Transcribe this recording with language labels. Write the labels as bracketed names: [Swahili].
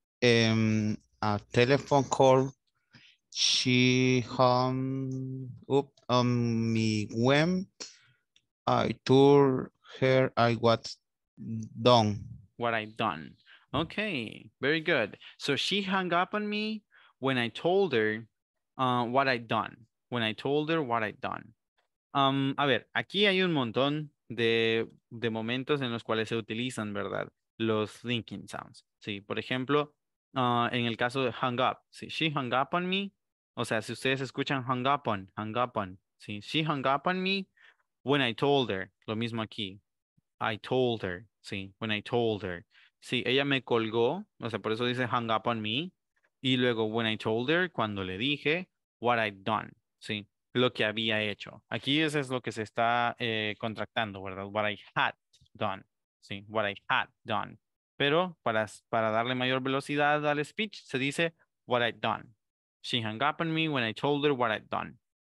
[English] A telephone call. She hung up on me when I told her I was done. What I done. Okay, very good. So she hung up on me when I told her what I done. When I told her what I done. [Spanish] A ver, aquí hay un montón de momentos en los cuales se utilizan, ¿verdad? Los linking sounds. Sí, por ejemplo, en el caso de hung up. Sí, [English] she hung up on me. [Spanish] O sea, si ustedes escuchan hung up on. [English] Sí, she hung up on me when I told her. [Spanish] Lo mismo aquí. [English] I told her, sí, when I told her. [Spanish] Sí, ella me colgó, o sea, por eso dice hung up on me. Y luego, [English] when I told her, [Spanish] cuando le dije, [English] what I'd done, [Spanish] sí, lo que había hecho. Aquí eso es lo que se está contractando, ¿verdad? [English] What I had done, sí, what I had done. [Spanish] Pero para darle mayor velocidad al speech, se dice [English] what I'd done. She hung up on me when I told her what I'd done.